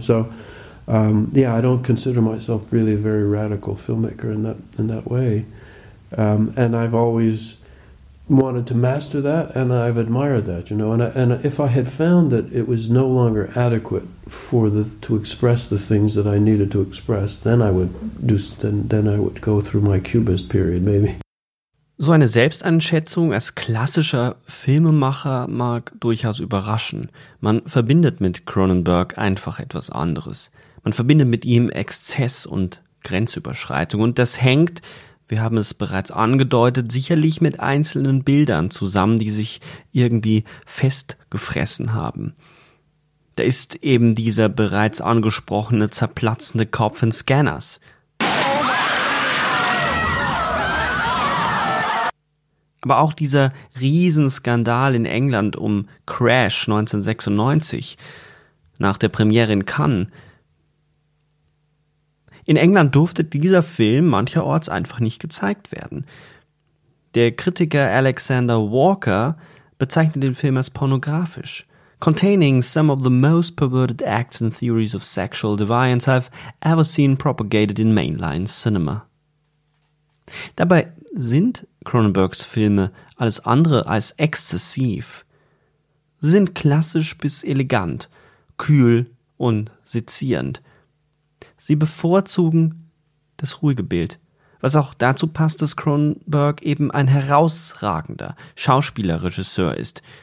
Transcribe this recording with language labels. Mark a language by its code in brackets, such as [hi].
[en] So, I don't consider myself really a very radical filmmaker in that way, and I've always wanted to master that, and I've admired that, you know. And if I had found that it was no longer adequate to express the things that I needed to express, then I would go through my Cubist period, maybe. [de] So eine Selbstanschätzung als klassischer Filmemacher mag durchaus überraschen. Man verbindet mit Cronenberg einfach etwas anderes. Man verbindet mit ihm Exzess und Grenzüberschreitung, und das hängt, wir haben es bereits angedeutet, sicherlich mit einzelnen Bildern zusammen, die sich irgendwie festgefressen haben. Da ist eben dieser bereits angesprochene zerplatzende Kopf in Scanners. Aber auch dieser Riesenskandal in England um Crash 1996 nach der Premiere in Cannes. In England durfte dieser Film mancherorts einfach nicht gezeigt werden. Der Kritiker Alexander Walker bezeichnet den Film als pornografisch. [en] Containing some of the most perverted acts and theories of sexual deviance I've ever seen propagated in mainline cinema. [de] Dabei sind Cronenbergs Filme alles andere als exzessiv. Sie sind klassisch bis elegant, kühl und sezierend. Sie bevorzugen das ruhige Bild, was auch dazu passt, dass Cronenberg eben ein herausragender Schauspielerregisseur ist.